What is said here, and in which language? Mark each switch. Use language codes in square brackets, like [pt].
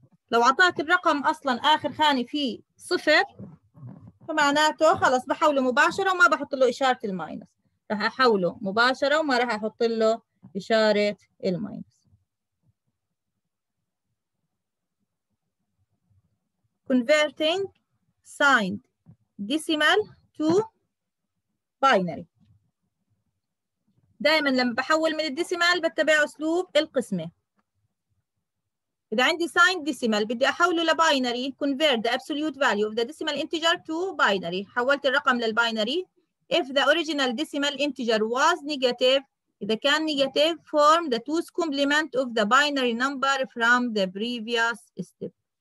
[ar] لو أعطاك الرقم أصلاً آخر خاني فيه صفر فمعناته خلاص بحوله مباشرة وما بحط له إشارة الماينس. رح أحوله مباشرة وما رح أحط له إشارة الماينس. [en] Converting signed decimal to binary. [ar] دائماً لما بحول من الديسيمال بتبع أسلوب القسمة. إذا عندي signed decimal بدي أحوله لباينري. [en] convert the absolute value of the decimal integer to binary. [ar] حولت الرقم للباينري. [en] if the original decimal integer was negative. [ar] إذا كان [en] negative form the two's complement of the binary number from the previous step.